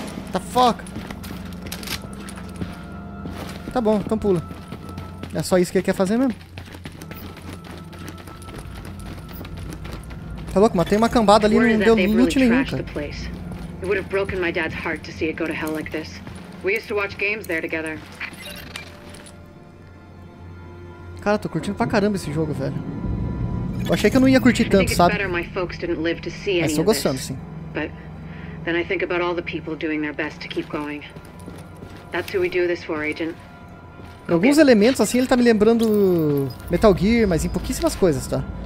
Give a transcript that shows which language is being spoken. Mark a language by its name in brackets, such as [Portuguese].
[Portuguese] Tá foca. Tá bom, então pula. É só isso que ele quer fazer mesmo? Tá louco, mas tem uma cambada ali e não deu loot nenhum, cara. [English] It would have broken my dad's heart to see it go to hell like this. We used to watch games there together. [Portuguese] Cara, tô curtindo pra caramba esse jogo, velho. Eu achei que eu não ia curtir tanto, sabe? Mas tô gostando, sim. [English] But then I think about all the people doing their best to keep going. That's who we do this for, agent. [Portuguese] Alguns elementos assim, ele tá me lembrando Metal Gear, mas em pouquíssimas coisas, tá?